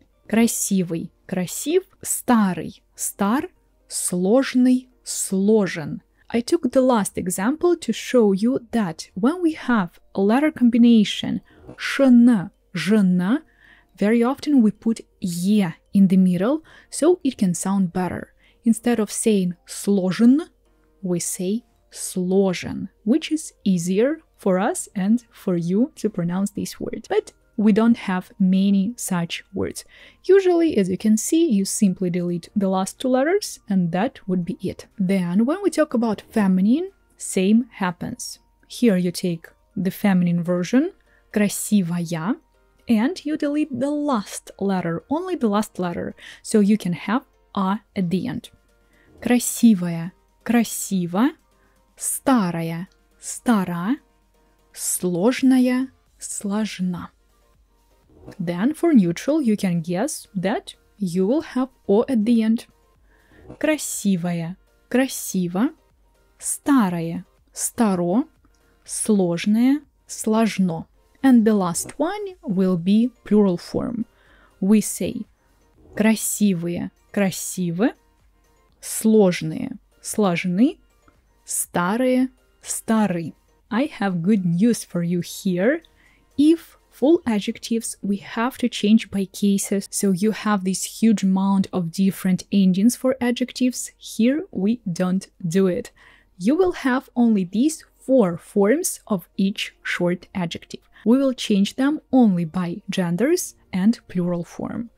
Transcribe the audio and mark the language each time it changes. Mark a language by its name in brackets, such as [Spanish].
[Russian] Красивый, красив, старый, стар, сложный, сложен. [English] I took the last example to show you that when we have a letter combination ШН, ЖН, very often we put Е in the middle, so it can sound better. Instead of saying сложен, we say сложен, which is easier for us and for you to pronounce this word. But we don't have many such words. Usually, as you can see, you simply delete the last two letters, and that would be it. Then, when we talk about feminine, same happens. Here you take the feminine version, красивая, and you delete the last letter, only the last letter, so you can have а at the end. [Russian] Красивая, красива, старая, стара, сложная, сложна. [English] Then for neutral, you can guess that you will have о at the end. [Russian] Красивая, красива, старая, старо, сложная, сложно. [English] And the last one will be plural form. We say [Russian] красивые, красивы, сложные, сложны, старые, стары. [English] I have good news for you here. If full adjectives, we have to change by cases, so you have this huge amount of different endings for adjectives, here we don't do it. You will have only these four forms of each short adjective. We will change them only by genders and plural form.